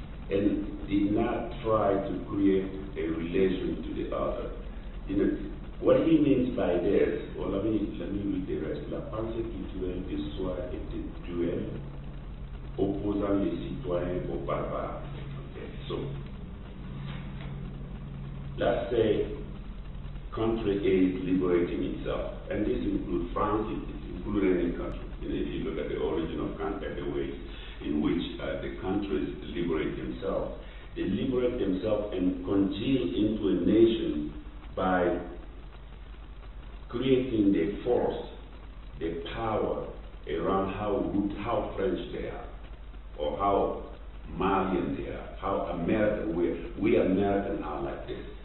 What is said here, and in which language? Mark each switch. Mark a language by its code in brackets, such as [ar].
[en] And did not try to create a relation to the other. You know, what he means by this, well, let me read the rest. [fr] La pensée culturelle de soi était cruelle, opposant les citoyens aux barbares. [en] Okay, so, let's say country A is liberating itself, and this includes France, it includes any country. You know, if you look at the origin of country, the way in which the countries liberate themselves, they liberate themselves and congeal into a nation by creating the force, the power around how good, how French they are, or how Malian they are, how American, we American are like this.